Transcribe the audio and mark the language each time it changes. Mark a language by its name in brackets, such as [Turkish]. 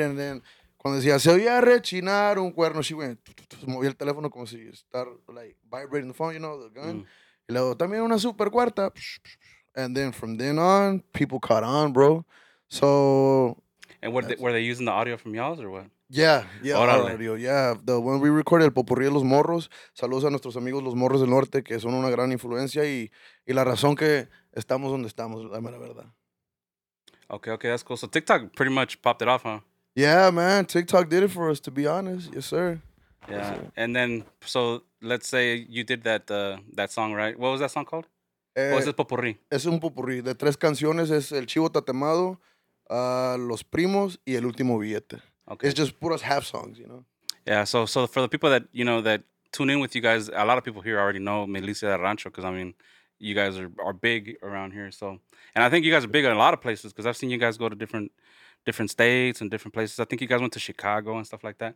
[English] And then, [Spanish] cuando decía, se oía rechinar un cuerno, [English] she went, [Spanish] movía el teléfono como si estar, [English] like, vibrating the phone, you know, the gun. [Spanish] Y luego, también una super cuarta. [English] And then, from then on, people caught on, bro. So. And were they using the audio from y'all's or what? Yeah, [Spanish] orale. [English] Audio, yeah. The one we recorded, [Spanish] el popurrí de los morros. Saludos a nuestros amigos los morros del norte, que son una gran influencia y la razón que estamos donde estamos, la mera verdad. [English] Okay, that's cool. So TikTok pretty much popped it off, huh? Yeah, man, TikTok did it for us, to be honest. Yes, sir. Yeah, and then, so let's say you did that song, right? What was that song called? What was it, popurrí? [Spanish] Es un popurrí de tres canciones. Es El Chivo Tatemado, Los Primos y El Último Billete. [English] Okay. It's just puras half songs, you know? Yeah, so for the people that, you know, that tune in with you guys, a lot of people here already know Milicia Del Rancho because, I mean, you guys are big around here. So, and I think you guys are big in a lot of places because I've seen you guys go to different states and different places. I think you guys went to Chicago and stuff like that.